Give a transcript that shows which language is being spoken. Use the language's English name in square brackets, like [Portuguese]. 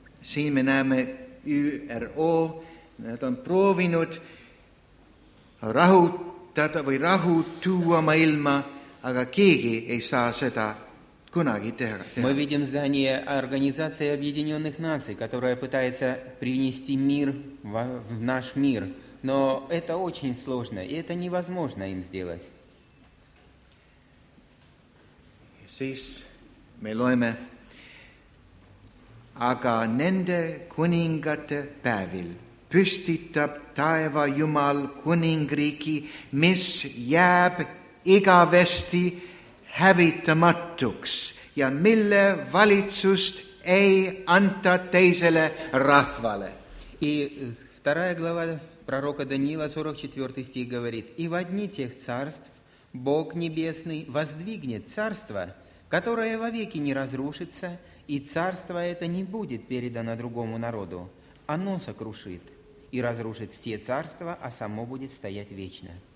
[Estonian] Siin me näeme ÜRO. Nad on proovinud rahutada või rahu tuua maailma, aga keegi ei saa seda kunagi teha. [Russian] Мы видим здание Организации Объединенных Наций, которая пытается принести мир в наш мир. Но это очень сложно, и это невозможно им сделать. [Estonian] Siis me loeme, aga nende kuningate päevil püstitab taeva Jumal kuningriiki, mis jääb igavesti hävitamatuks ja mille valitsust ei anta teisele rahvale. [Russian] И вторая глава пророка Даниила, 44 стих, говорит: «И во дни тех царств Бог Небесный воздвигнет царство, которое вовеки не разрушится, и царство это не будет передано другому народу, оно сокрушит и разрушит все царства, а само будет стоять вечно».